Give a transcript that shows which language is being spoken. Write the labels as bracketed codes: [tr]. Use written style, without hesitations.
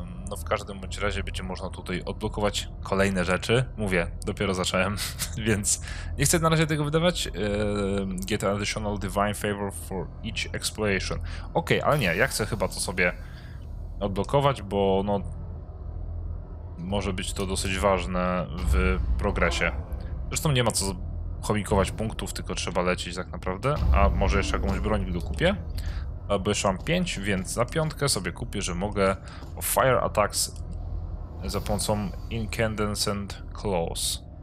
[pl] No w każdym bądź razie będzie można tutaj odblokować kolejne rzeczy. Mówię, dopiero zacząłem, więc nie chcę na razie tego wydawać. [en] Get an additional divine favor for each exploration. [pl] Okej, ale nie, ja chcę chyba to sobie odblokować, bo no może być to dosyć ważne w progresie. Zresztą nie ma co chomikować punktów, tylko trzeba lecieć tak naprawdę. A może jeszcze jakąś broń dokupię? Bo jeszcze mam 5, więc za 5 sobie kupię, że mogę [en] fire attacks [pl] za pomocą [en] incandescent claws.